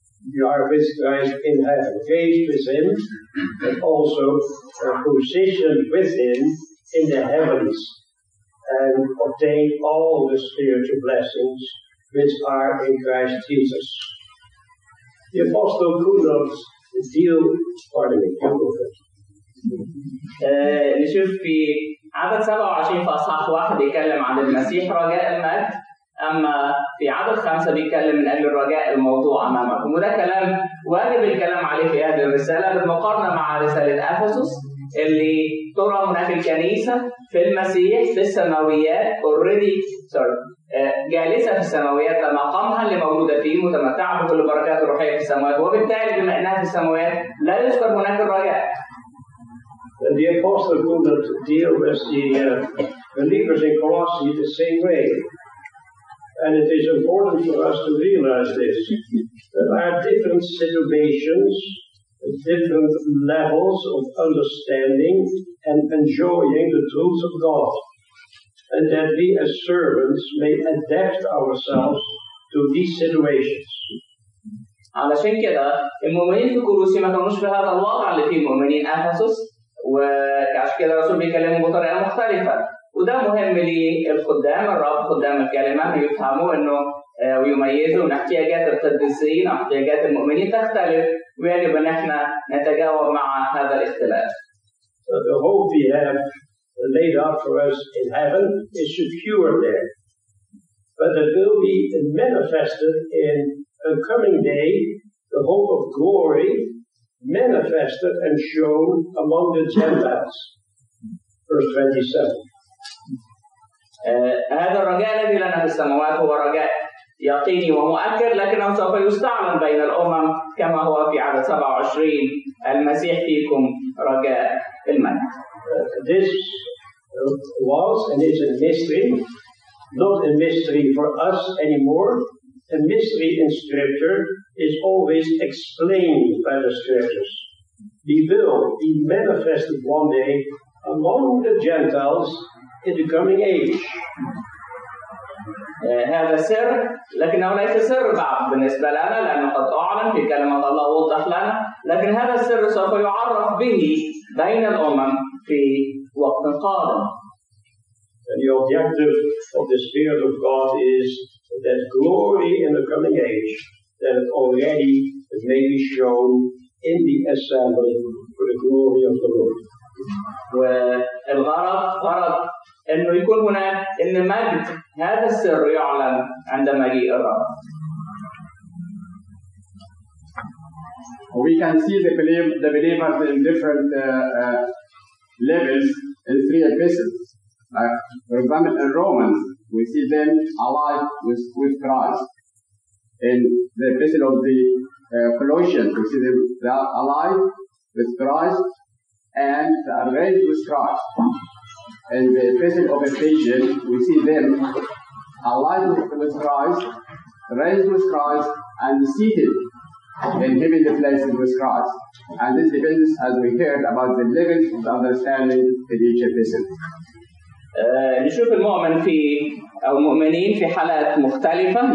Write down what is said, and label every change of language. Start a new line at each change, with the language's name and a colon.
English: You are with Christ in heaven, raised with Him, but also positioned with Him in the heavens, and obtained all the spiritual blessings which are in Christ Jesus. The apostle could not deal, pardon me, deal with it.
Arabic: نشوف في عدد 27 في أصحاح 1 بيتكلم عن المسيح رجاء المجد، أما في عدد 5 بيتكلم من أجل الرجاء الموضوع أمامكم، وده كلام واجب الكلام عليه في هذه الرسالة بالمقارنة مع رسالة أفسس اللي ترى هناك الكنيسة في المسيح في السماويات
English: already
Arabic: جالسة في السماويات لمقامها اللي موجودة فيه متمتعة بكل بركات الروحية في السماوات، وبالتالي بما أنها في السماويات لا يذكر هناك الرجاء.
English: The apostle could not deal with the believers in Colossae the same way. And it is important for us to realize this. There are different situations, different levels of understanding and enjoying the truths of God. And that we as servants may adapt ourselves to these situations.
Arabic: علشان كده المؤمنين في كولوسي ما كانوش في هذا الواقع اللي فيه المؤمنين أفسس. وعشان كده الرسول بيكلمهم بطريقة مختلفة، وده مهم للخدام الرب خدام الكلمة يفهموا إنه ويميزوا إن احتياجات القديسين احتياجات المؤمنين تختلف، ويجب إن إحنا نتجاوب مع هذا الاختلاف.
English: So the hope we have laid out for us in heaven is secure there, but it will be manifested in a coming day, the hope of glory. Manifested and shown among the Gentiles. Verse 27.
Arabic: هذا الرجاء الذي لنا في السماوات هو رجاء يقيني ومؤكد لكنه سوف يستعلن بين الأمم كما هو في عدد 27 المسيح فيكم رجاء المجد.
English: This was and is a mystery, not a mystery for us anymore. A mystery in Scripture is always explained by the Scriptures. He will be manifested one day among the Gentiles in the coming age.
Arabic: هذا سر، لكنه ليس سر بعد بالنسبة لنا لأنه قد أعلن في كلمة الله وضح لنا. لكن هذا السر سوف يعرف به بين الأمم في وقت قادم.
English: And the objective of the Spirit of God is that glory in the coming age that already may be shown in the assembly for the glory of the Lord.
Arabic: والغرض غرض إنه يكون هناك إن مجد هذا السر يعلن عندما جاء الرب.
English: We can see the believers in different levels in three epistles. Like, for example, in Romans, we see them alive with Christ. In the epistle of the Colossians, we see them alive with Christ and raised with Christ. In the epistle of Ephesians, we see them alive with Christ, raised with Christ, and seated in heavenly places with Christ. And this depends, as we heard, about the level of the understanding in each epistle.
Arabic: نشوف المؤمن في أو المؤمنين في حالات مختلفة.